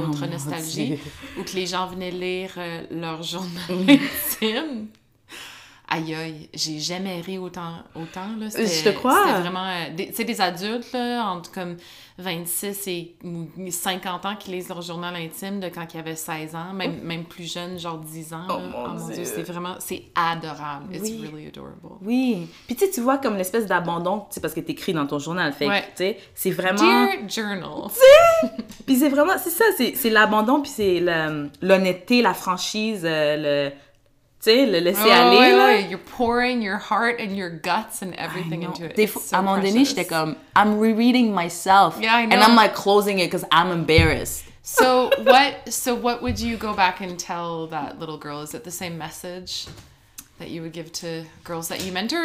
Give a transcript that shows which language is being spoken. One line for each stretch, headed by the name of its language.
French: oh Autre Nostalgie, où que les gens venaient lire leur journal intime. Aïe, aïe, j'ai jamais ri autant, là. C'était, je te crois. C'était vraiment... c'est des adultes, là, entre comme 26 et 50 ans qui lisent leur journal intime de quand ils avaient 16 ans, même plus jeunes, genre 10 ans. Oh, là. Mon Dieu. C'est vraiment... c'est adorable. Oui.
English: It's really adorable.
French: Oui. Puis tu vois comme l'espèce d'abandon, tu sais, parce que t'écris dans ton journal, fait ouais. Tu sais, c'est vraiment...
English: Dear journal.
French: Tu sais? Puis c'est vraiment... c'est ça, c'est l'abandon, puis c'est l'honnêteté, la franchise, le... Tu sais, le laisser aller, ouais, là. Ouais.
English: You're pouring your heart and your guts and everything into it.
French: So à un moment donné, j'étais comme,
English: I'm rereading myself. Yeah, I know. And I'm like closing it because I'm embarrassed. So what would you go back and tell that little girl? Is it the same message that you would give to girls that you mentor?